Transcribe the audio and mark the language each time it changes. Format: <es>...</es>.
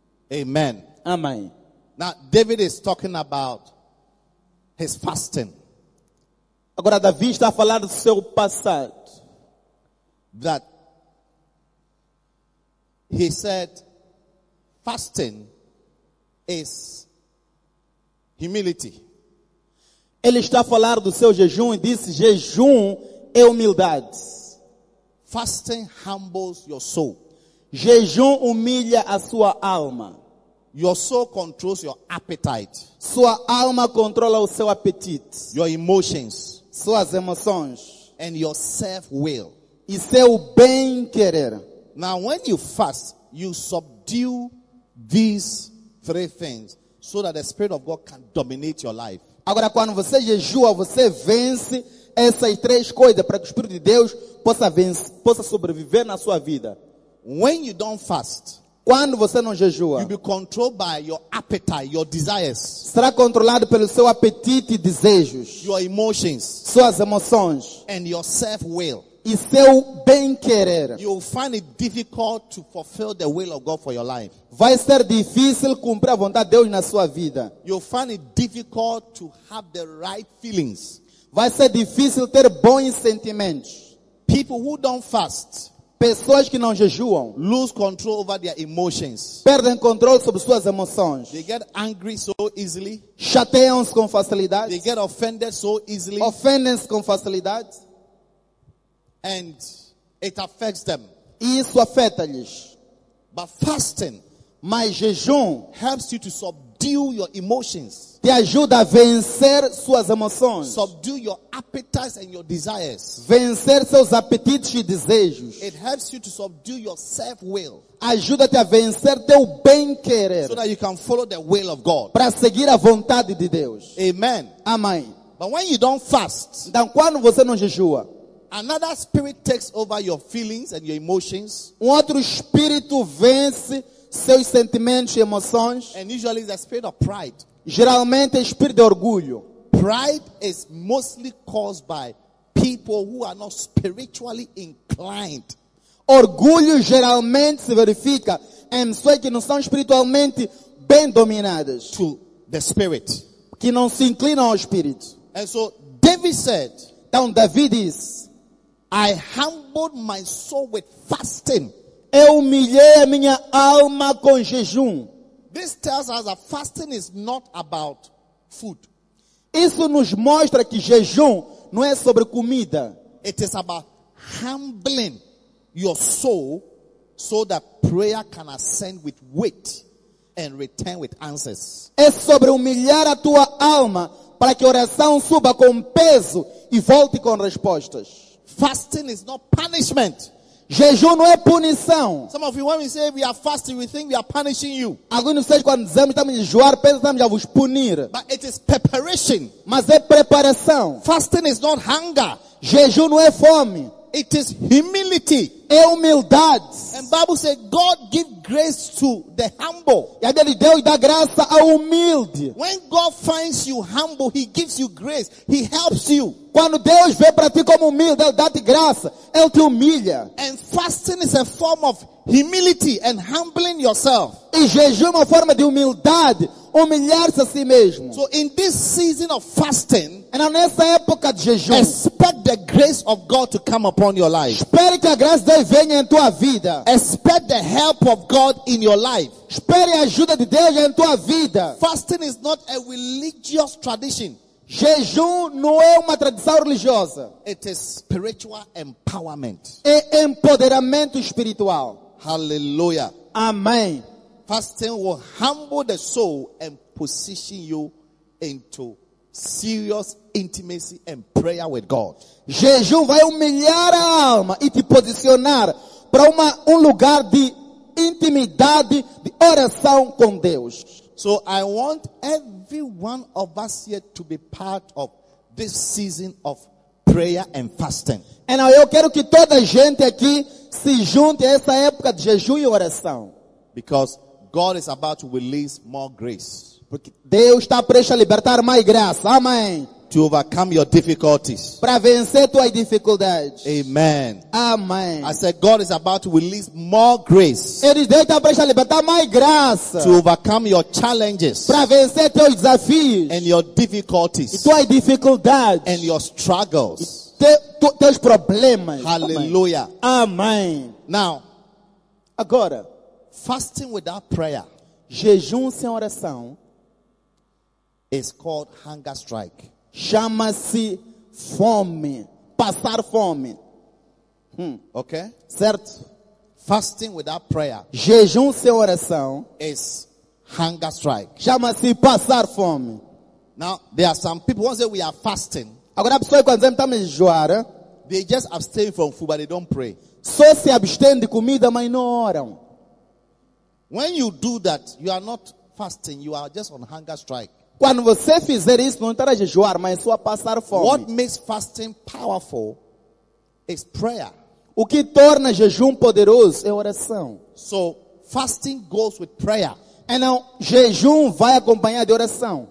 <en>Amen.</en> <pt>Amém.</pt> <en>Now, David is talking about his fasting.</en> <pt>Agora, Davi está a falar do seu passado.</pt> <en>That he said, fasting is humility.</en> <pt>Ele está a falar do seu jejum e disse, jejum é humildade.</pt> <en>Fasting humbles your soul.</en> <pt>Jejum humilha a sua alma.</pt> <en>Your soul controls your appetite.</en> <pt>Sua alma controla o seu apetite.</pt> <en>Your emotions.</en> <pt>Suas emoções.</pt> <en>And your self-will.</en> <pt>E seu bem-querer.</pt> <en>Now, when you fast, you subdue these three things so that the Spirit of God can dominate your life.</en> <pt>Agora, quando você jejua, você vence essas três coisas para que o Espírito de Deus possa vencer, possa sobreviver na sua vida.</pt> <en>When you don't fast,</en> <pt>quando você não jejua,</pt> <en>you'll be controlled by your appetite, your desires.</en> <pt>Será controlado pelo seu apetite e desejos.</pt> <en>Your emotions,</en> <pt>suas emoções.</pt> <en>And your self-will,</en> <pt>e seu bem-querer.</pt> <en>You'll find it difficult to fulfill the will of God for your life.</en> <pt>Vai ser difícil cumprir a vontade de Deus na sua vida.</pt> <en>You'll find it difficult to have the right feelings.</en> <pt>Vai ser difícil ter bons sentimentos.</pt> <en>People who don't fast,</en> <pt>pessoas que não jejuam,</pt> <en>lose control over their emotions.</en> <pt>Perdem controle sobre suas emoções.</pt> <en>They get angry so easily.</en> <pt>Chateiam-se com facilidade.</pt> <en>They get offended so easily.</en> <pt>Ofendem-se com facilidade.</pt> <en>And it affects them.</en> <pt>Isso afeta-lhes.</pt> <en>But fasting,</en> <pt>mas jejum,</pt> <en>helps you to subdue your emotions.</en> <pt>Te ajuda a vencer suas emoções.</pt> <en>Subdue your appetites and your desires.</en> <pt>Vencer seus apetites e desejos.</pt> <en>It helps you to subdue your self-will.</en> <pt>Ajuda-te a vencer teu bem-querer.</pt> <en>So that you can follow the will of God.</en> <pt>Para seguir a vontade de Deus.</pt> <en>Amen.</en> <pt>Amém.</pt> <en>But when you don't fast,</en> <pt>então, quando você não jejua,</pt> <en>another spirit takes over your feelings and your emotions.</en> <pt>Outro espírito vence seus sentimentos e emoções.</pt> <en>And usually the spirit of pride.</en> <pt>Geralmente é espírito de orgulho.</pt> <en>Pride is mostly caused by people who are not spiritually inclined.</en> <pt>Orgulho geralmente se verifica em pessoas que não são espiritualmente bem dominadas.</pt> <en>To the spirit.</en> <pt>Que não se inclinam ao espírito.</pt> <en>And so David said,</en> <pt>então Davi diz,</pt> <en>I humbled my soul with fasting.</en> <pt>Eu humilhei a minha alma com jejum.</pt> <en>This tells us that fasting is not about food.</en> <pt>Isso nos mostra que jejum não é sobre comida.</pt> <en>It is about humbling your soul so that prayer can ascend with weight and return with answers.</en> <pt>É sobre humilhar a tua alma para que a oração suba com peso e volte com respostas.</pt> <en>Fasting is not punishment.</en> <pt>Jejum não é punição.</pt> <en>Some of you, when we say we are fasting, we think we are punishing you.</en> <pt>Alguns de vocês, quando dizemos estamos a jejuar, pensamos que vamos punir.</pt> <en>But it is preparation.</en> <pt>Mas é preparação.</pt> <en>Fasting is not hunger.</en> <pt>Jejum não é fome.</pt> <en>It is humility.</en> <pt>É humildade.</pt> <en>And Bible says God gives grace to the humble.</en> <pt>E a Bíblia Deus dá graça ao humilde.</pt> <en>When God finds you humble, He gives you grace. He helps you.</en> <pt>Quando Deus vê para ti como humilde, Ele dá-te graça. Ele te humilha.</pt> <en>And fasting is a form of humility and humbling yourself.</en> <pt>E jejum é uma forma de humildade, humilhar-se a si mesmo.</pt> <en>So in this season of fasting,</en> <pt>and nessa época de jejum,</pt> <en>expect the grace of God to come upon your life.</en> <pt>Espere que a graça de Deus venha em tua vida.</pt> <en>Expect the help of God in your life.</en> <pt>Espere a ajuda de Deus em tua vida.</pt> <en>Fasting is not a religious tradition.</en> <pt>Jejum não é uma tradição religiosa.</pt> <en>It is spiritual empowerment.</en> <pt>É empoderamento espiritual.</pt> <en>Hallelujah.</en> <pt>Amém.</pt> <en>Fasting will humble the soul and position you into serious intimacy and prayer with God.</en> <pt>Jejum vai humilhar a alma e te posicionar para um lugar de intimidade, de oração com Deus.</pt> <en>So I want every one of us here to be part of this season of prayer and fasting. And now</en> <pt>eu quero que toda a gente aqui se junte a essa época de jejum e oração.</pt> <en>Because God is about to release more grace.</en> <pt>Porque Deus está prestes a libertar mais graça. Amém.</pt> <en>To overcome your difficulties.</en> <pt>Para vencer tuas dificuldades.</pt> <en>Amen.</en> <pt>Amém.</pt> <en>I said God is about to release more grace.</en> <pt>Ele está prestes a libertar mais graça.</pt> <en>To overcome your challenges.</en> <pt>Para vencer teus desafios.</pt> <en>And your difficulties.</en> <pt>E tuas dificuldades.</pt> <en>And your struggles.</en> <pt>Teus problemas.</pt> <en>Hallelujah.</en> <pt>Amém.</pt> <en>Now.</en> <pt>Agora.</pt> <en>Fasting without prayer.</en> <pt>Jejum sem oração.</pt> <en>Is called hunger strike.</en> <pt>Chama-se fome. Passar fome.</pt> <en>Okay?</en> <pt>Certo?</pt> <en>Fasting without prayer.</en> <pt>Jejum sem oração.</pt> <en>Is hunger strike.</en> <pt>Chama-se passar fome.</pt> <en>Now, there are some people who say we are fasting.</en> <pt>Agora, a pessoa que quando estamos a jejuar,</pt> <en>they just abstain from food, but they don't pray.</en> <pt>Só se abstêm de comida, mas não oram.</pt> <en>When you do that, you are not fasting, you are just on hunger strike.</en> <pt>Quando você fizer isso, não estará a jejuar, mas só a passar fome.</pt> <en>What makes fasting powerful is prayer.</en> <pt>O que torna jejum poderoso é oração.</pt> <en>So, fasting goes with prayer. And now,</en> <pt>jejum vai acompanhar de oração.</pt>